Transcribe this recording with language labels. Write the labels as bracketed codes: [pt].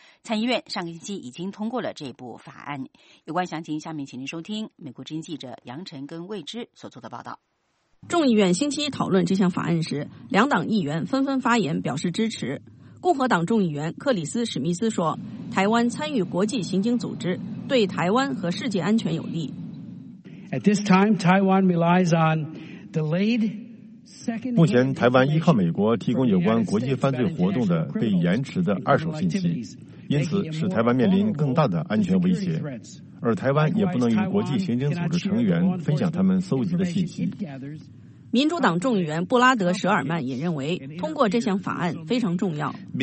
[zh] 参议院上个星期已经通过了这部法案。有关详情下面请您收听美国之音记者杨晨跟魏之所做的报道。众议院星期一讨论这项法案时，两党议员纷纷发言表示支持。共和党众议员克里斯·史密斯说，台湾参与国际刑警组织对台湾和世界安全有利。 [en] At this time, Taiwan relies on delayed... [zh] 目前台湾依靠美国提供有关国际犯罪活动的被延迟的二手信息，因此使台湾面临更大的安全威胁，而台湾也不能与国际刑警组织成员分享他们搜集的信息。民主党众议员布拉德·舍尔曼也认为通过这项法案非常重要。